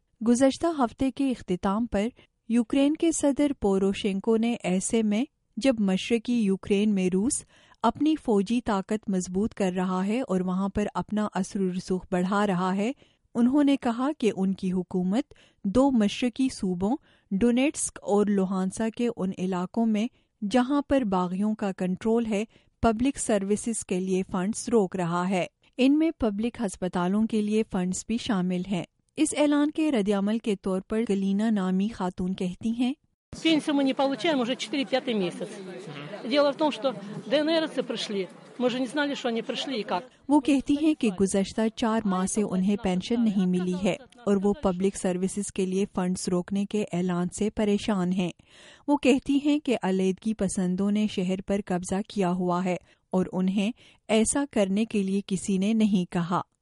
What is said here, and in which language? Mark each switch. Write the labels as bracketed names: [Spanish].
[Urdu] گزشتہ ہفتے کے اختتام پر یوکرین کے صدر پوروشینکو نے ایسے میں جب مشرقی یوکرین میں روس اپنی فوجی طاقت مضبوط کر رہا ہے اور وہاں پر اپنا اثر و رسوخ بڑھا رہا ہے، انہوں نے کہا کہ ان کی حکومت دو مشرقی صوبوں ڈونیٹسک اور لوہانسک کے ان علاقوں میں جہاں پر باغیوں کا کنٹرول ہے پبلک سروسز کے لیے فنڈز روک رہا ہے. ان میں پبلک ہسپتالوں کے لیے فنڈز بھی شامل ہیں. اس اعلان کے رد عمل کے طور پر گلینا نامی خاتون کہتی ہیں، [Russian] пенсию мы не получаем уже 4-5 месяц. Дело в том, что ДНРцы пришли. Мы же не знали, что они пришли и как. [Urdu] وہ کہتی ہیں کہ گزشتہ 4 ماہ سے انہیں پینشن نہیں ملی ہے اور وہ پبلک سروسز کے لیے فنڈز روکنے کے اعلان سے پریشان ہیں. وہ کہتی ہیں کہ علیحدگی پسندوں نے شہر پر قبضہ کیا ہوا ہے اور انہیں ایسا کرنے کے لیے کسی نے نہیں کہا.